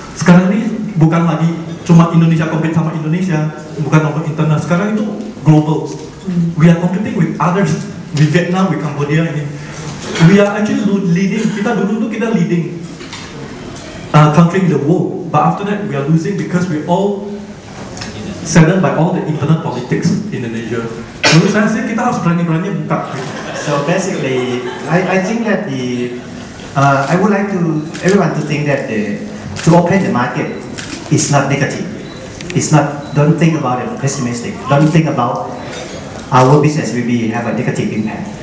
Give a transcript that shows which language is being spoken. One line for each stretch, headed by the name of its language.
Indonesian: Sekarang ini bukan lagi cuma Indonesia compete sama Indonesia, bukan nomor internal, sekarang itu global.
English: We are competing with others, with Vietnam, with Cambodia. We are actually leading.
Indonesian: Kita dulu tuh kita
English: leading country in the world, but after that we are losing because we all saddened by all the internal politics in Indonesia.
Indonesian: Dulu saya sih kita harus berani buka. So basically, I think that the I would like to everyone to think that to open the market is not negative. It's not. Don't think about it pessimistic. Don't think about our business will be have a negative impact.